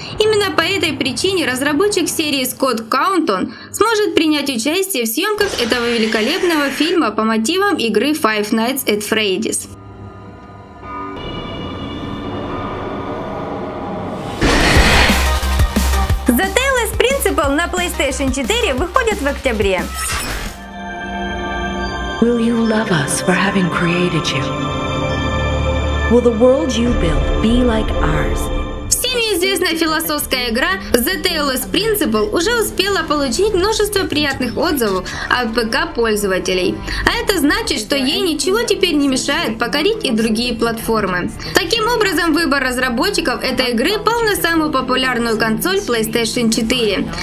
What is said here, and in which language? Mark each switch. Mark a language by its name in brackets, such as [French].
[Russian] Именно по этой причине разработчик серии Скотт Каунтон сможет принять участие в съемках этого великолепного фильма по мотивам игры Five Nights at Freddy's. The Talos Principle на PlayStation 4 выходит в октябре. [English] Will you love us for having created you? Will the world you build be like ours? [Russian] Известная философская игра The Talos Principle уже успела получить множество приятных отзывов от ПК-пользователей. А это значит, что ей ничего теперь не мешает покорить и другие платформы. Таким образом, выбор разработчиков этой игры пал на самую популярную консоль PlayStation 4.